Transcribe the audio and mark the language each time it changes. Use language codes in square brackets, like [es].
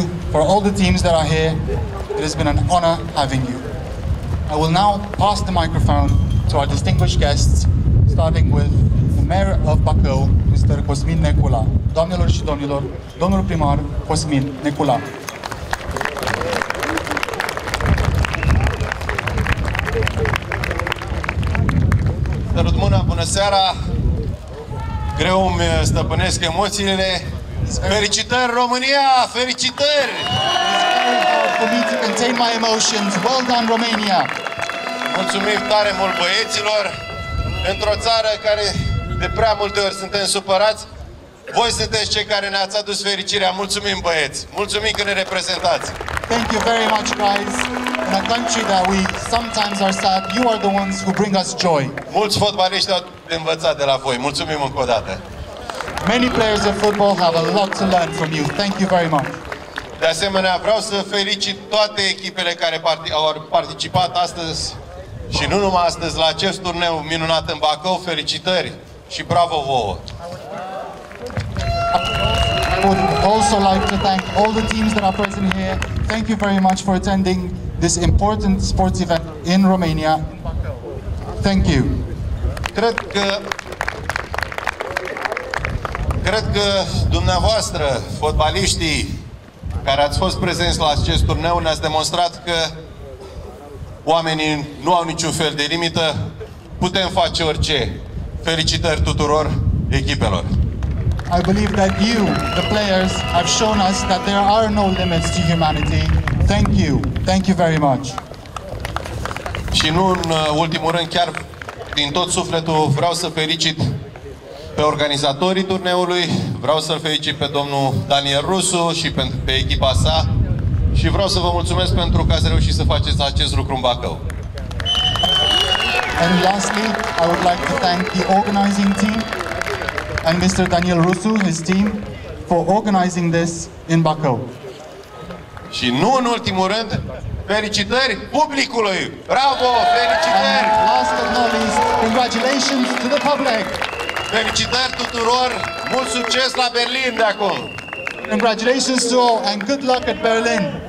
[en] For all the teams that are here, it has been an honor having you. I will now pass the microphone to our distinguished guests, starting with the mayor of Bacău, Mr. Cosmin Necula. [ro] Doamnelor și domnilor, domnul primar Cosmin Necula. Salut, mână, bună seara. Greu îmi stăpânesc emoțiile. Felicitări, România! Felicitări! Permiți să [en] contain my emotions. Well done, Romania! [ro] Mulțumim tare mult băieților! Într-o țară care de prea multe ori suntem supărați, voi sunteți cei care ne-ați adus fericirea. Mulțumim, băieți! Mulțumim că ne reprezentați! [en] Thank you very much, guys! In a country that we sometimes are sad, you are the ones who bring us joy. [ro] Mulți fotbaliști au învățat de la voi. Mulțumim încă o dată! [en] Many players of football have a lot to learn from you. Thank you very much. [ro] De asemenea, vreau să felicit toate echipele care au participat astăzi și nu numai astăzi la acest turneu minunat în Bacău. Felicitări și bravo vouă. [en] I would also like to thank all the teams that are present here. Thank you very much for attending this important sports event in Romania. Thank you. [ro] Cred că dumneavoastră, fotbaliștii care ați fost prezenți la acest turneu, ne-ați demonstrat că oamenii nu au niciun fel de limită, putem face orice. Felicitări tuturor echipelor. [en] I believe that you, the players, have shown us that there are no limits to humanity. Thank you. Thank you very much. [ro] Și nu în ultimul rând, chiar din tot sufletul, vreau să felicit pe organizatorii turneului, vreau să-l felicit pe domnul Daniel Rusu și pe echipa sa și vreau să vă mulțumesc pentru că ați reușit să faceți acest lucru în Bacău. [en] And lastly, I would like to thank the organizing team and Mr. Daniel Rusu, his team, for organizing this in Bacău. [ro] Și nu în ultimul rând, felicitări publicului! Bravo! Felicitări! [en] And last but not least, congratulations to the public! [ro] Felicitări tuturor! Mult succes la Berlin de acum! [en] Congratulations to all and good luck at Berlin!